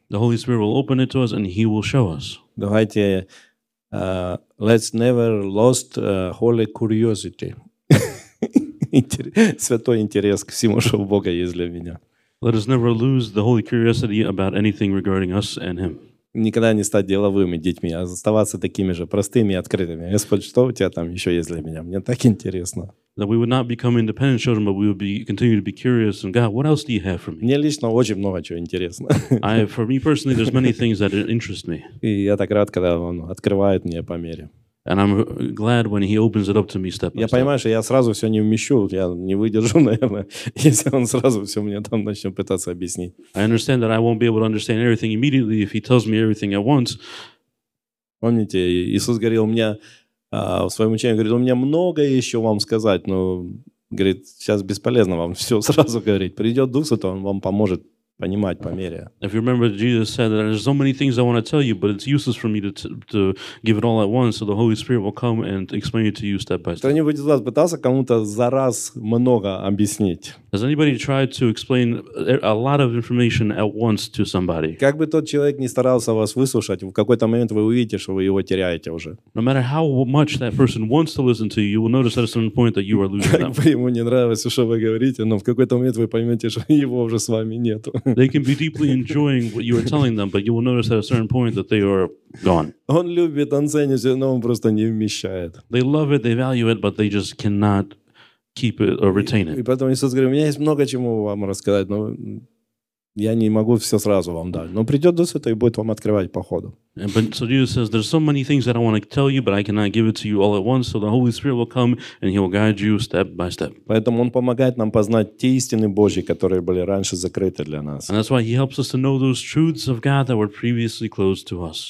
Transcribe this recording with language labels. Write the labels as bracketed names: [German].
[English] The Holy Spirit will open it to us and he will show us. [Russian] Давайте, [English] let's never lost holy curiosity. [Russian] Святой интерес к всему, что у Бога есть для меня. [English] Let us never lose the holy curiosity about anything regarding us and Him. [Russian] Никогда не стать деловыми детьми, а оставаться такими же простыми и открытыми. Господь, что у тебя там еще есть для меня? Мне так интересно. [English] That we would not become independent children, but we would be continue to be curious. And God, what else do you have for me? [Russian] Мне лично очень много чего интересно. [English] For me personally, there's many things that interest me. [Russian] И я так рад, когда Он открывает мне по мере. [English] And I'm glad when he opens it up to me step by step. [Russian] Я понимаю, что я сразу все не вмещу, я не выдержу, наверное, если он сразу все мне там начнет пытаться объяснить. [English] I understand that I won't be able to understand everything immediately if he tells me everything at once. [Russian] Помните, Иисус говорил мне, в своем учении, говорит, у меня многое еще вам сказать, но, говорит, сейчас бесполезно вам все сразу говорить. Придет Дух Святой, он вам поможет. Понимать по мере. [English] If you remember, Jesus said that there's so many things I want to tell you, but it's useless for me to give it all at once, so the Holy Spirit will come and explain it to you step by step. [Russian] Кто-нибудь из вас пытался кому-то за раз много объяснить? [English] Has anybody tried to explain a lot of information at once to somebody? [Russian] Как бы тот человек не старался вас выслушать, в какой-то момент вы увидите, что вы его теряете уже. [English] No matter how much that person wants to listen to you, you will notice at a certain point that you are losing them. [Russian] Как бы ему не нравилось, что вы говорите, но в какой-то момент вы поймете, что его уже с вами нету. [English] They can be deeply enjoying what you are telling them, but you will notice at a certain point that they are gone. [Russian] Он любит, он ценит, но он просто не вмещает. [English] They love it, they value it, but they just cannot keep it or retain it. [Russian] И потом Иисус говорит, у меня есть много чему вам рассказать, но я не могу все сразу вам дать. Но придет Дух Святой и будет вам открывать по ходу. [English] But so Jesus says, there's so many things that I want to tell you, but I cannot give it to you all at once. So the Holy Spirit will come and He will guide you step by step. [Russian] Поэтому Он помогает нам познать те истины Божьи, которые были раньше закрыты для нас. [English] And that's why He helps us to know those truths of God that were previously closed to us.